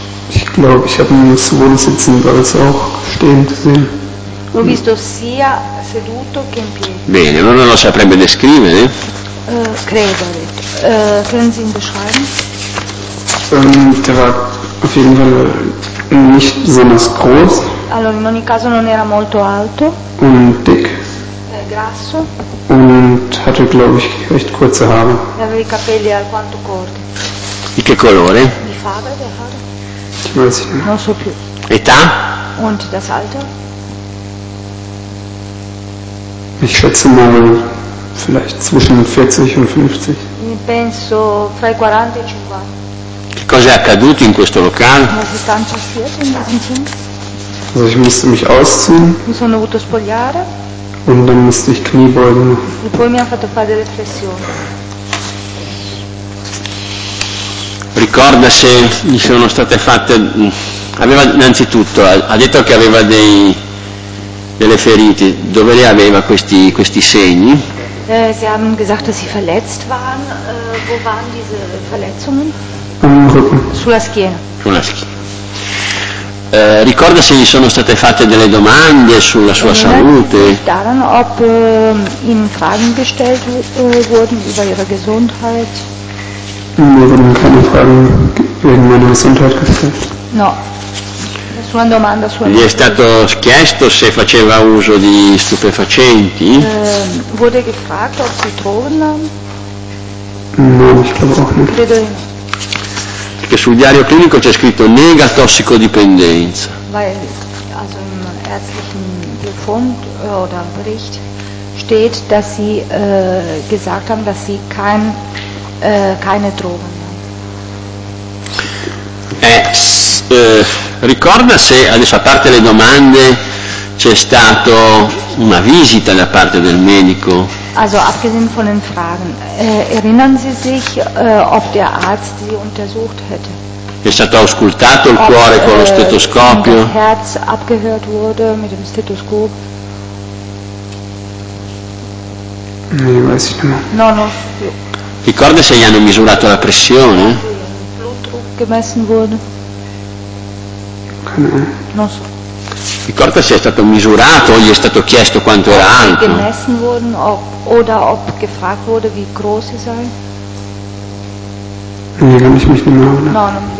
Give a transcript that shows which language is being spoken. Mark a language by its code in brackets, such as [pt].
[de] Ich glaube, ich habe ihn sowohl sitzend als auch stehend gesehen. [it] Ho visto sia seduto che in piedi. Bene, non lo saprebbe descrivere? Credo. [de] Können Sie ihn beschreiben? Der war auf jeden Fall nicht besonders groß. [it] Allora, in ogni caso non era molto alto. [de] Und dick. [it] Grasso. [de] Und hatte, glaube ich, recht kurze Haare. [it] E aveva i capelli alquanto corti. Di che colore? [de] Di farbe, di haare. [it] Non so più. Età? [de] Und das Alter? Ich schätze mal vielleicht zwischen 40 und 50. [it] Penso fra i 40 e i 50. Che cosa è accaduto in questo locale? [de] Was ist dann passiert in diesem Zimmer? Also ich musste mich ausziehen. [it] Mi sono dovuto spogliare. [de] Und dann musste ich Kniebeugen machen. [it] E poi mi ha fatto fare delle flessioni. Ricorda se gli sono state fatte. Aveva innanzitutto, ha detto che aveva delle ferite. Dove le aveva questi segni? [de] Sie haben gesagt, dass sie verletzt waren. Wo waren diese Verletzungen? Am Rücken. [it] Sulla schiena. Sulla schiena. Ricorda se gli sono state fatte delle domande sulla sua salute? [de] Daran, ob ihm Fragen gestellt wurden über ihre Gesundheit. Wurden keine Fragen wegen meiner Gesundheit gestellt? [it] No. Nessuna domanda sulla. Gli è stato chiesto se faceva uso di stupefacenti? [de] Wurde gefragt, ob sie Drogen nahm? No, ich glaube auch nicht. [it] Credo di no. Perché sul diario clinico c'è scritto nega tossicodipendenza. [de] Weil also im ärztlichen Befund oder Bericht steht, dass sie gesagt haben, dass sie keine Drogen haben. [it] Ricorda se adesso a parte le domande c'è stato una visita da parte del medico? [de] Also abgesehen von den Fragen, erinnern Sie sich, ob der Arzt Sie untersucht hätte? [it] È stato auscultato il cuore con lo stetoscopio? [de] Ob das Herz abgehört wurde mit dem Stethoskop? Nee, weiß ich nicht. [it] No, no. Ricorda se gli hanno misurato la pressione? [de] Ob der Blutdruck gemessen wurde? [it] Non so. Ricorda se è stato misurato o gli è stato chiesto quanto era alto? [de] Gemessen wurden oder ob gefragt wurde, wie groß sie sei. Nee, kann ich mich nicht mehr erinnern.